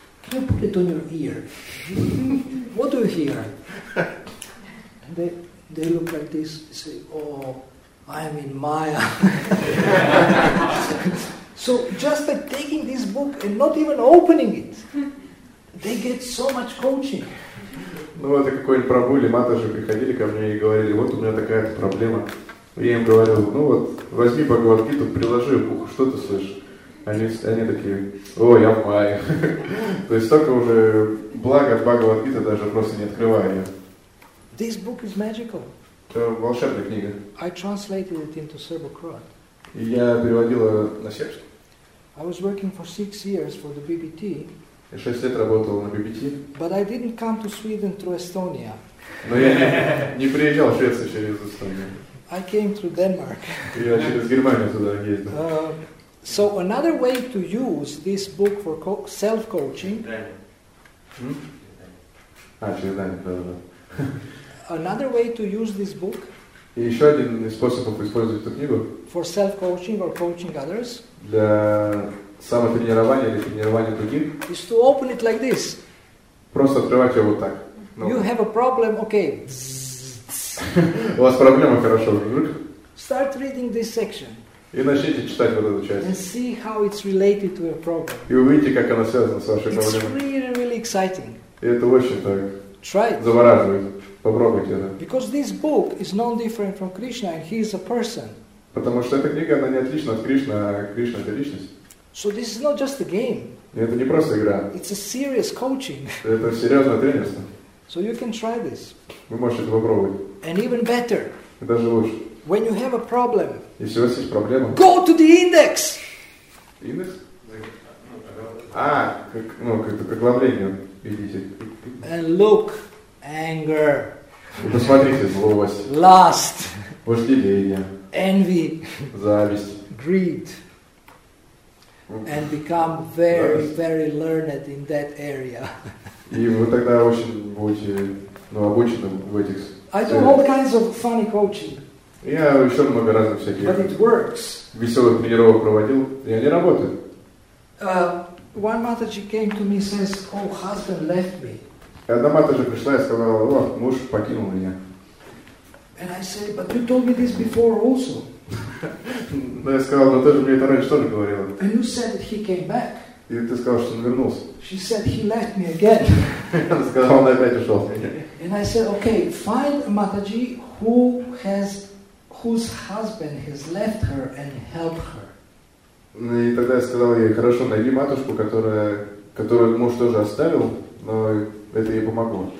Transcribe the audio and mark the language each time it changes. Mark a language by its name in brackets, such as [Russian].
[English] Can you put it on your ear? What do you hear? And they look like this and say, oh, I am in Maya. So just by taking this book and not even opening it, they get so much coaching. [Russian] Ну, это какой-нибудь Прабху или Матаджи приходили ко мне и говорили, вот у меня такая-то проблема. Я им говорил, ну вот, возьми Бхагавад-гиту, приложи в ухо, что ты слышишь? Они такие, о, я в Майе. То есть столько уже благ от Бхагавад-гиты даже просто не открывая. [English] This book is magical. [Russian] Это волшебная книга. [English] I translated it into Serbo-Croat. [Russian] И я переводил на сербский. [English] I was working for 6 years for the BBT. [Russian] Я 6 лет работал на BBT. [English] But I didn't come to Sweden through Estonia. [Russian] Но я не приезжал в Швецию через Эстонию. [English] I came through Denmark. [Russian] Я через Германию туда ездил. [English] So another way to use this book for self-coaching. [Russian] Через Данию. Через Данию, да. [English] Another way to use this book. [Russian] И еще один способ использовать эту книгу. [English] For self-coaching or coaching others. [Russian] Для самотренирования или тренирования других. [English] Is to open it like this. [Russian] Просто открывать ее вот так. [English] Ну. You have a problem, okay. [Russian] У вас проблема, хорошо, друг. [English] Start reading this section. [Russian] И начните читать вот эту часть. [English] And see how it's related to your problem. [Russian] И увидите, как она связана с вашей [English] it's [Russian] проблемой. [English] It's really, really exciting. [Russian] И это очень так. завораживает. Попробуйте это. [English] Because this book is no different from Krishna and he is a person. [Russian] Потому что эта книга, она не отлична от Кришны, а Кришна это личность. [English] So this is not just a game. [Russian] Это не просто игра. [English] It's a serious coaching. [Russian] Это серьезное тренерство. [English] So you can try this. [Russian] Вы можете это попробовать. [English] And even better. [Russian] И даже лучше. [English] When you have a problem. [Russian] Если у вас есть проблема. [English] Go to the index. [Russian] Индекс? А, как, ну как-то к оглавлению идите. [English] And look, anger. [Russian] И посмотрите, злость. [English] Lust. [Russian] Вожделение. [English] Envy. [Russian] Зависть. [English] Greed. And become very, very learned in that area. [Russian] И вы тогда очень будете, ну, обученным в этих. [English] I do all kinds of funny coaching. [Russian] Я еще много разных всяких. [English] But it works. [Russian] Веселых тренировок проводил, и они работают. [English] One Mataji came to me and says, "Oh, husband left me." [Russian] Одна матаджи пришла и сказала: "О, муж покинул меня." [English] And I said, "But you told me this before also." [Russian] Но я сказал, но ты же мне это раньше тоже говорила. [English] And you said that he came back. [Russian] И ты сказал, что он вернулся. [English] She said he left me again. [Russian] Она сказала, он опять ушел. [English] And I said, okay, find Mataji who has whose husband has left her and help her. [Russian] И тогда я сказал ей, хорошо, найди матушку, которую муж тоже оставил, но это ей помогло.